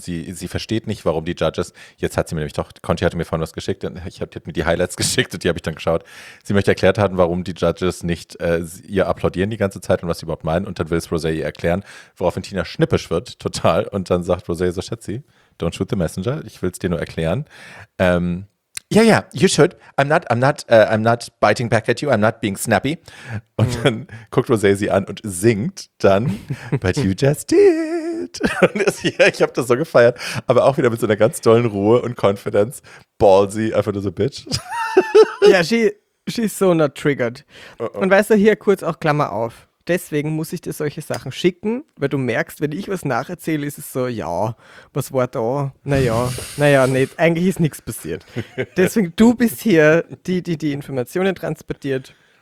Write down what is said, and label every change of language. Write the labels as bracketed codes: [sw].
[de] Sie versteht nicht, warum die Judges, jetzt hat sie mir nämlich doch, Conti hatte mir vorhin was geschickt, die hat mir die Highlights geschickt und die habe ich dann geschaut. Sie möchte erklärt haben, warum die Judges nicht ihr applaudieren die ganze Zeit und was sie überhaupt meinen. Und dann will es Rosé ihr erklären, woraufhin Tina schnippisch wird, total. Und dann sagt Rosé so, Schätzi, [en] don't shoot the messenger, [de] ich will es dir nur erklären. [en] Ja, ja, you should. I'm not biting back at you. I'm not being snappy. [de] Und dann guckt Rosé sie an und singt dann, [en] but you just did. [de] Und das, ja, ich habe das so gefeiert, aber auch wieder mit so einer ganz tollen Ruhe und Confidence. Ballsy, einfach nur so bitch. [en] Ja, she's so not triggered. Uh-oh. [de] Und weißt du, hier kurz auch Klammer auf. Deswegen muss ich dir solche Sachen schicken, weil du merkst, wenn ich was nacherzähle, ist es so, ja, was war da? Naja, nicht. Eigentlich ist nichts passiert. Deswegen, du bist hier, die Informationen transportiert.